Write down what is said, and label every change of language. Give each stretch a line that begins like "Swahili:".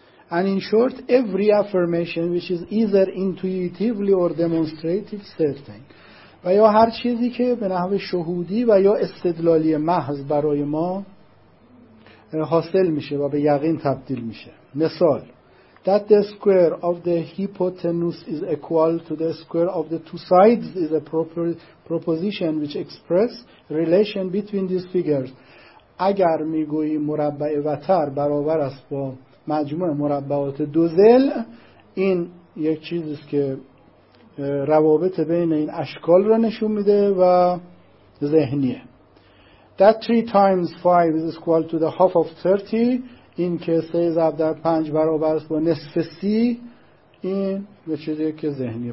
English: And in short, every affirmation which is either intuitively or demonstrative certain,
Persian: و یا هر چیزی که به نحو شهودی و یا استدلالی محض برای ما حاصل میشه و به یقین تبدیل میشه.
English: مثال: That the square of the hypotenuse is equal to the square of the two sides is a proposition which express relation between these figures.
Persian: اگر میگویی مربع وتر برابر است با مجموع مربعات دو ضلع، این یک چیزی است که روابط بین این اشکال را نشون میده و ذهنیه.
English: That 3 times 5 is equal to the half of 30،
Persian: این که 3 ضرب در 5 برابر است با نصف 30، این به چیزی که ذهنیه.